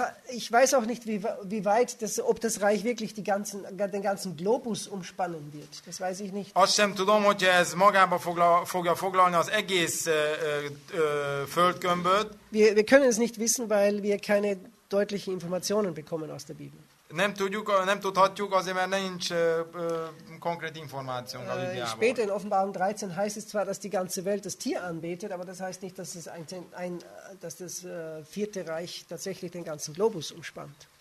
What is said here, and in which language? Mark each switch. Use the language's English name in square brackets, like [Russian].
[German] Ich weiß auch nicht, wie weit das, ob das Reich wirklich den ganzen Globus umspannen wird. Das weiß ich nicht. [Hungarian] Azt sem tudom, hogy ez magába fogja foglalni az egész földgömböt. [German] Wir können es nicht wissen, weil wir keine deutlichen Informationen bekommen aus der Bibel. [Hungarian] Nem tudhatjuk, azért mert nincs konkrét információ a Bibliából. [German] Später in Offenbarung 13 heißt es zwar, dass die ganze Welt das Tier anbetet, aber das heißt nicht, dass es ein dass das vierte Reich tatsächlich den ganzen Globus umspannt.